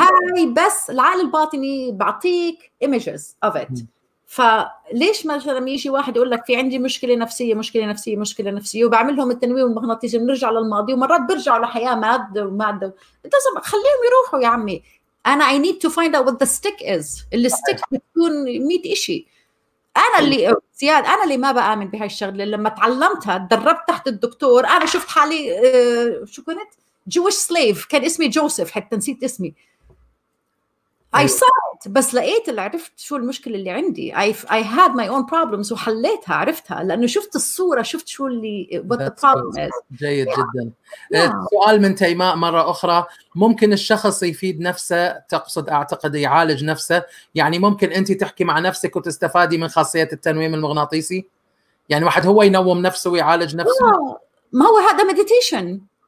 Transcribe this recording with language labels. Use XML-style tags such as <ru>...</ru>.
<ar>هاي بس العقل الباطني بعطيك</ar> <en>images of it.</en> <ar>فليش مثلا يجي واحد يقول لك في عندي مشكلة نفسية وبعملهم التنويم المغناطيسي بنرجع للماضي، ومرات برجع لحياة مادة لازم خليهم يروحوا يا عمي.</ar> <en>أنا I need to find out what the stick is.</en> <ar>الستيك بتكون ميت إشي. أنا اللي زياد، أنا اللي ما بآمن بهاي الشغلة، لما تعلمتها دربت تحت الدكتور، أنا شفت حالي شو كنت</ar> <en>Jewish slave،</en> <ar>كان اسمي جوزيف، حتى نسيت اسمي.</ar> <en>I saw it،</en> <ar>بس لقيت اللي عرفت شو المشكلة اللي عندي.</ar> <en>I had my own problems</en> <ar>وحليتها، عرفتها لأنه شفت الصورة، شفت شو اللي</ar> <en>what the problem is.</en> <ar>جيد جدا. سؤال من تيماء مرة أخرى، ممكن الشخص يفيد نفسه، تقصد أعتقد يعالج نفسه، يعني ممكن أنت تحكي مع نفسك وتستفادي من خاصية التنويم المغناطيسي، يعني واحد هو ينوم نفسه ويعالج نفسه؟ ما هو هذا meditation.</ar>